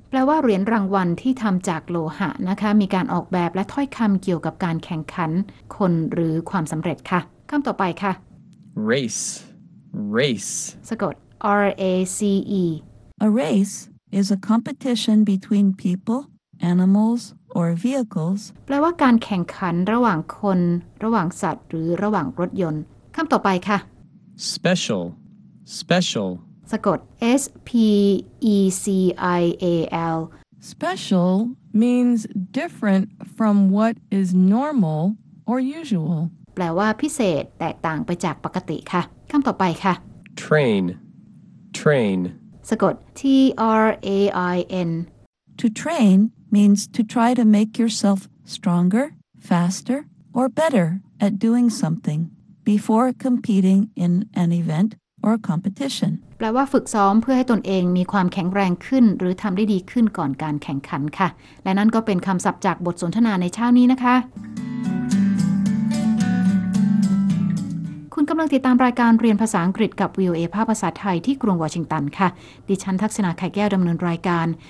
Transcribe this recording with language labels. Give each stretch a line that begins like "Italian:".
Thai: แปลว่าเหรียญรางวัลที่ทำจากโลหะนะคะมีการออกแบบและถ้อยคำเกี่ยวกับการแข่งขันคนหรือความสำเร็จค่ะคำต่อไปค่ะ
English: race race
Thai: สะกด race
English: a race is a competition between people animals or vehicles
Thai: แปลว่าการแข่งขันระหว่างคนระหว่างสัตว์หรือระหว่างรถยนต์คำต่อไปค่ะ
English: special special
Thai: สะกด special
English: special means different from what is normal or usual
Thai: แปลว่าพิเศษแตกต่างไปจากปกติค่ะคำต่อไปค่ะ
English: train train
Thai: สะกด train
English: to train means to try to make yourself stronger faster or better at doing something before competing in an eventor competition
Thai: แปลว่าฝึกซ้อมเพื่อให้ตนเองมีความแข็งแรงขึ้นหรือทำได้ดีขึ้นก่อนการแข่งขันค่ะและนั่นก็เป็นคำศัพท์จากบทสนทนาในเช้านี้นะคะคุณกำลังติดตามรายการเรียนภาษาอังกฤษกับ VOA ภาคภาษาไทยที่กรุงวอชิงตันค่ะดิฉันทักษณาไข่แก้วดำเนินรายการ